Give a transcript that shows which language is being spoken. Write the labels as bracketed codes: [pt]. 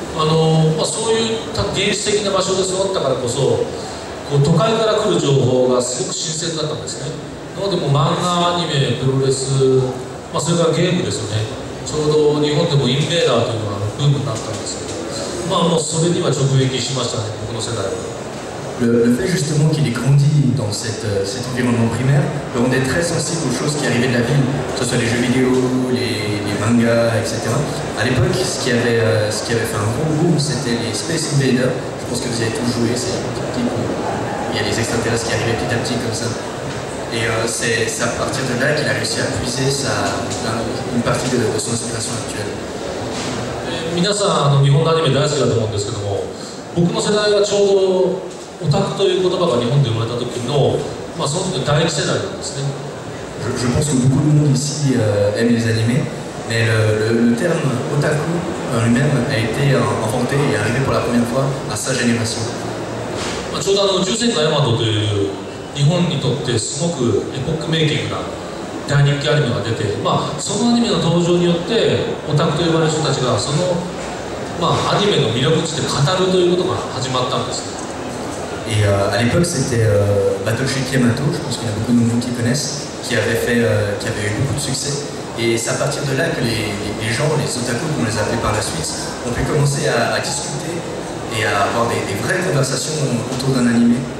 [ja] まあ、そういった原始的な場所で育ったからこそ、こう都会から来る情報がすごく新鮮だったんですね。なので、もう漫画、アニメ、プロレス、まあ、それからゲームですよね。ちょうど日本でもインベーダーというのがブームになったんですけど。 [fr] Le fait justement qu'il ait grandi dans cet environnement primaire le rendait très sensible aux choses qui arrivaient de la ville, que ce soit les jeux vidéo, les mangas, etc. À l'époque, ce qui avait fait un gros boom, c'était les Space Invaders. Je pense que vous avez tous joué, c'est petit à petit qu'il y a les extraterrestres qui arrivaient petit à petit comme ça. Et c'est à partir de là qu'il a réussi à puiser une partie de son inspiration actuelle. [ja] 皆さん日本のアニメ大好きだと思うんですけども、僕の世代がちょうどオタクという言葉が日本で生まれた時の、まあ、その時第一世代なんですね。 [fr] Je pense que beaucoup de monde ici aime les animés, mais le terme otaku lui-même a été inventé et arrivé pour la première fois à sa génération. [ja] まあ、ちょうどあの十戦艦ヤマトという日本にとってすごくエポックメイキングな大人気アニメが出て、まあ、そのアニメの登場によってオタクと呼ばれる人たちがその、まあ、アニメの魅力について語るということが始まったんです。 [fr] Et à l'époque c'était Battleship Yamato, je pense qu'il y a beaucoup de monde qui connaissent, qui avait eu beaucoup de succès. Et c'est à partir de là que les gens, les otaku, qu'on les appelait par la suite, ont pu commencer à discuter et à avoir des vraies conversations autour d'un animé.